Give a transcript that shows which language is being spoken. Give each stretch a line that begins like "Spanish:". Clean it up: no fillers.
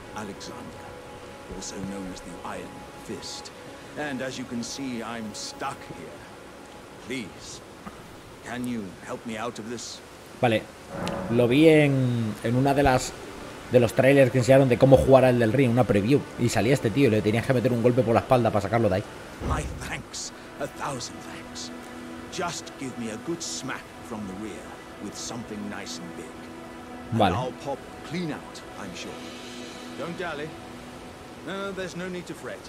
English: Alexander, also known as the Iron Fist, and as you can see, I'm stuck here. Please, can you help me out of this?
Spanish: Vale, lo vi en una de las de los trailers que enseñaron de cómo jugar al del ring, una preview, y salía este tío y le tenías que meter un golpe por la espalda para sacarlo de ahí.
English: My thanks, a thousand thanks. Just give me a good smack from the rear. With something nice and big.
Spanish: Vale.
English: And I'll pop clean out, I'm sure. Don't dally. No, there's no need to fret.